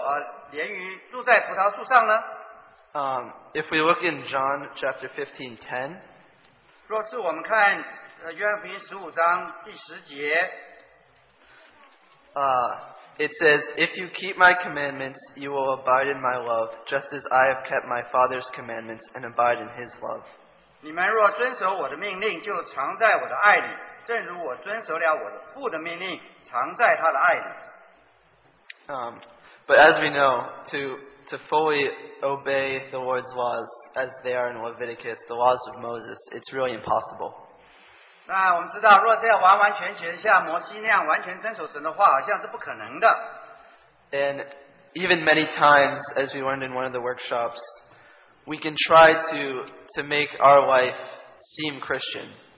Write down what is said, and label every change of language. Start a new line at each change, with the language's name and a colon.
Chinese: 那我就问一个问题,我们怎么能够连于住在葡萄树上呢?
English: If we look in John chapter 15:10,
Chinese: 若是我们看约翰福音15章第10节,
English: it says, "If you keep my commandments, you will abide in my love, just as I have kept my Father's commandments and abide in his love."
Chinese: 你们若遵守我的命令,就常在我的爱里。
English: But as we know, to fully obey the Lord's laws as they are in Leviticus, the laws of Moses, it's really impossible.
Chinese: 那我们知道,若要完完全全像摩西那样完全遵守神的话,好像是不可能的。
English: And even many times, as we learned in one of the workshops, we can try to make our life seem Christian.